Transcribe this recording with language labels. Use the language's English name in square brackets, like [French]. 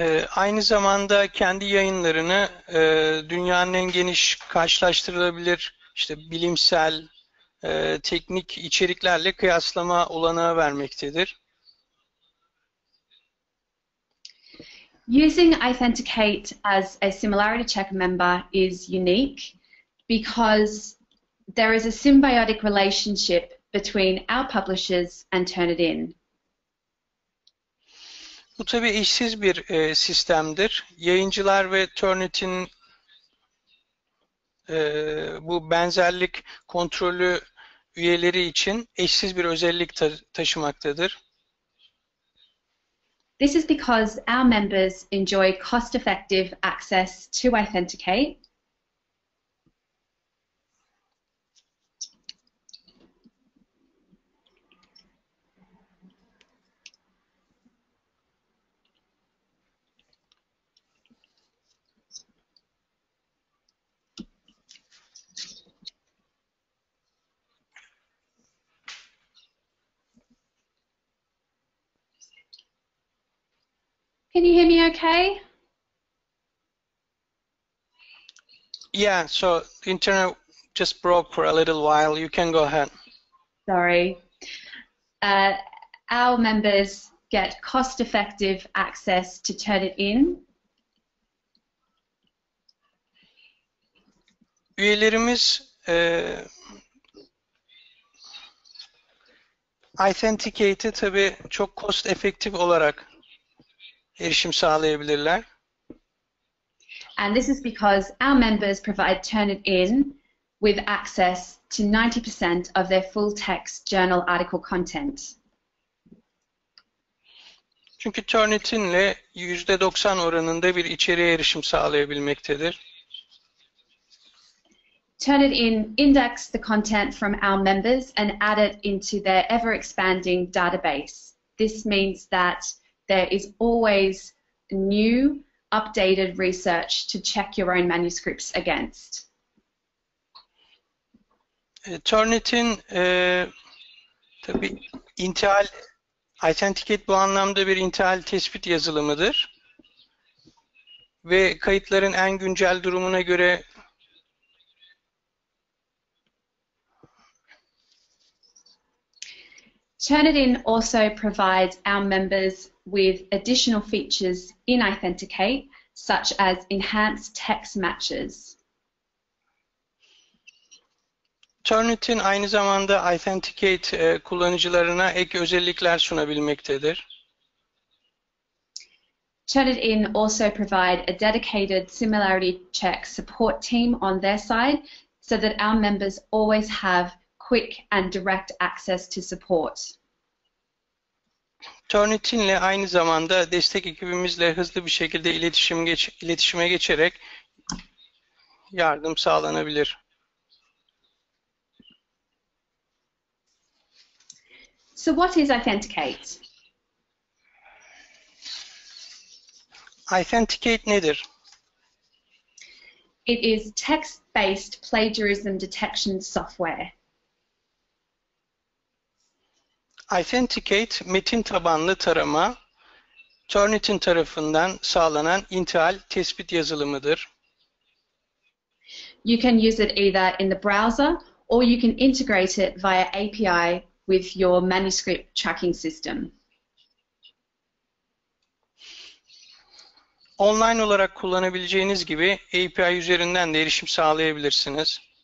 [Turkish] Aynı zamanda kendi yayınlarını dünyanın en geniş karşılaştırılabilir işte bilimsel teknik içeriklerle kıyaslama olanağı vermektedir. [English] Using Authenticate as a Similarity Check member is unique because there is a symbiotic relationship between our publishers and Turnitin. [Turkish] Bu tabii eşsiz bir sistemdir. Yayıncılar ve Turnitin bu benzerlik kontrolü üyeleri için eşsiz bir özellik taşımaktadır. [English] This is because our members enjoy cost-effective access to Authenticate. Can you hear me okay? Yeah, so the internet just broke for a little while. You can go ahead. Sorry. Our members get cost-effective access to Turnitin. [Turkish] Üyelerimiz Authenticate'i tabii çok cost-effektif olarak erişim sağlayabilirler. [English] And this is because our members provide Turnitin with access to 90% of their full-text journal article content. Çünkü Turnitin'le %90 oranında bir içeriğe erişim sağlayabilmektedir. Turnitin indexed the content from our members and added into their ever-expanding database. This means that there is always new, updated research to check your own manuscripts against. [Turkish] Turnitin tabii intihal, authenticate bu anlamda bir intihal tespit yazılımıdır. Ve kayıtların en güncel durumuna göre [English] Turnitin also provides our members with additional features in authenticate such as enhanced text matches. [Turkish] Turnitin aynı zamanda authenticate kullanıcılarına ek özellikler sunabilmektedir. [English] Turnitin also provide a dedicated similarity check support team on their side so that our members always have quick and direct access to support. [Turkish] Turnitin'le aynı zamanda destek ekibimizle hızlı bir şekilde iletişime geçerek yardım sağlanabilir. [English] So what is authenticate? [Turkish] Authenticate nedir? [English] It is text-based plagiarism detection software. [Turkish] Authenticate, metin tabanlı tarama, Turnitin tarafından sağlanan intihal tespit yazılımıdır. [English] You can use it either in the browser or you can integrate it via API with your manuscript tracking system. [Turkish] Online olarak kullanabileceğiniz gibi API üzerinden de erişim sağlayabilirsiniz.